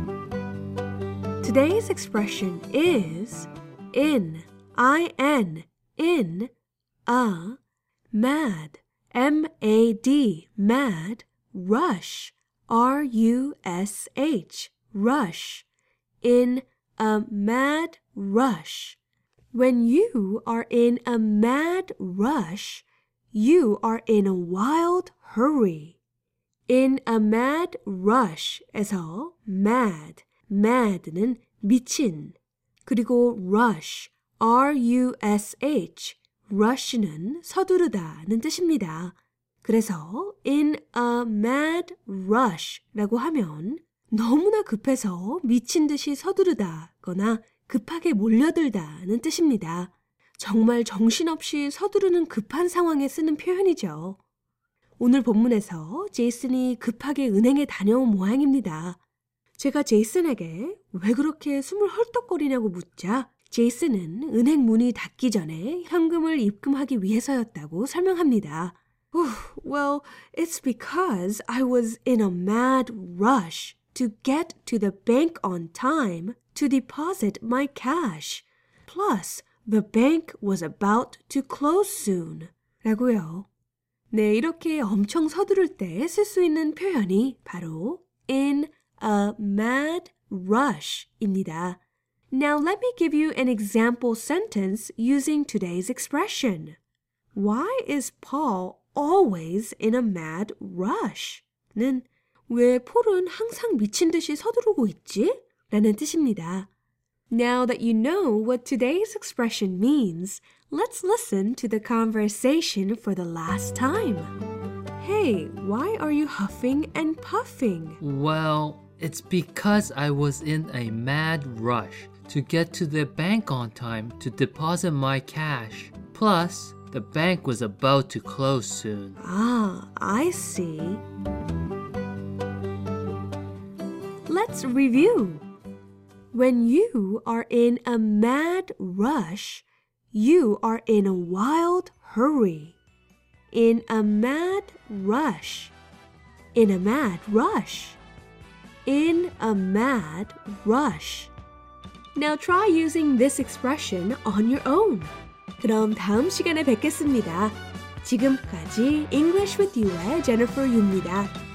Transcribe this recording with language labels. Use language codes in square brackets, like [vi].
[en] Today's expression is in, I-N, in a mad, M-A-D, mad, rush, R-U-S-H, rush, in a mad rush. When you are in a mad rush, you are in a wild hurry. [ko] In a mad rush 에서 mad, mad는 미친. 그리고 rush, R-U-S-H, rush는 서두르다는 뜻입니다. 그래서 in a mad rush라고 하면 너무나 급해서 미친 듯이 서두르다거나 급하게 몰려들다는 뜻입니다. 정말 정신없이 서두르는 급한 상황에 쓰는 표현이죠. 오늘 본문에서 제이슨이 급하게 은행에 다녀온 모양입니다. 제가 제이슨에게 왜 그렇게 숨을 헐떡거리냐고 묻자 제이슨은 은행 문이 닫기 전에 현금을 입금하기 위해서였다고 설명합니다. [en] Well, it's because I was in a mad rush to get to the bank on time to deposit my cash. Plus, the bank was about to close soon. [ko] 라고요. 네, 이렇게 엄청 서두를 때 쓸 수 있는 표현이 바로 in a mad rush입니다. [en] Now let me give you an example sentence using today's expression. Why is Paul always in a mad rush? [ko] 는 왜 폴은 항상 미친 듯이 서두르고 있지? 라는 뜻입니다. [en] Now that you know what today's expression means, let's listen to the conversation for the last time. Hey, why are you huffing and puffing? Well, it's because I was in a mad rush to get to the bank on time to deposit my cash. Plus, the bank was about to close soon. Ah, I see. Let's review. When you are in a mad rush, you are in a wild hurry. In a mad rush. In a mad rush. In a mad rush. Now try using this expression on your own. [ko] 그럼 다음 시간에 뵙겠습니다. 지금까지 English with You의 Jennifer Yu입니다.